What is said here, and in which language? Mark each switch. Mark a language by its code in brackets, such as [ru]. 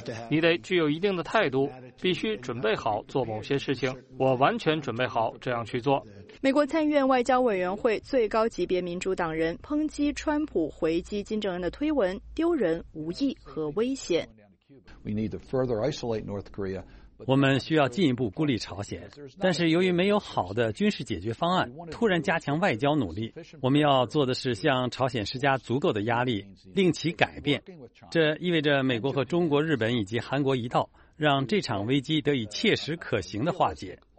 [zh] 你得具有一定的态度，必须准备好做某些事情，我完全准备好这样去做。美国参议院外交委员会最高级别民主党人抨击川普回击金正恩的推文丢人、无益和危险。 [en] We need to further isolate North Korea. [zh] 我们需要进一步孤立朝鲜，但是由于没有好的军事解决方案，突然加强外交努力，我们要做的是向朝鲜施加足够的压力，令其改变。这意味着美国和中国、日本以及韩国一道，让这场危机得以切实可行的化解。